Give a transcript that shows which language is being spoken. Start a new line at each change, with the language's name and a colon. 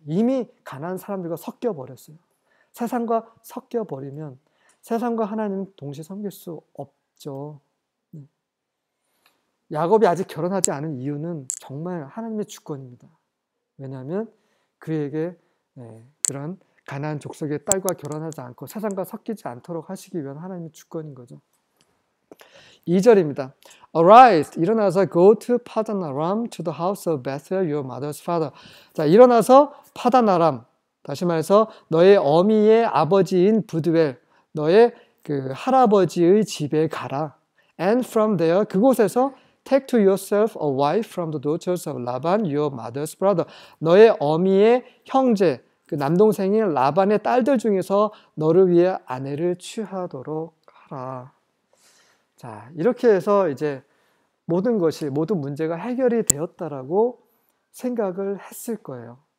Korean: 이미 가난한 사람들과 섞여버렸어요. 세상과 섞여버리면 세상과 하나님 동시에 섬길 수 없죠. 야곱이 아직 결혼하지 않은 이유는 정말 하나님의 주권입니다. 왜냐하면 그에게 그런 가나안 족속의 딸과 결혼하지 않고 세상과 섞이지 않도록 하시기 위한 하나님의 주권인 거죠. 2절입니다.
English: Arise,
Korean: 일어나서
English: go to Padan Aram, to the house of Bethuel, your mother's father.
Korean: 자, 일어나서 Padan Aram, 다시 말해서 너의 어미의 아버지인 부두엘, 너의 그 할아버지의 집에 가라.
English: And from there,
Korean: 그곳에서
English: Take to yourself a wife from the daughters of Laban, your mother's brother.
Korean: 너의 어미의 형제, 그 남동생인 라반의 딸들 중에서 너를 위해 아내를 취하도록 하라. 자, 이렇게 해서 이제 모든 것이, 모든 문제가 해결이 되었다라고 생각을 했을 거예요.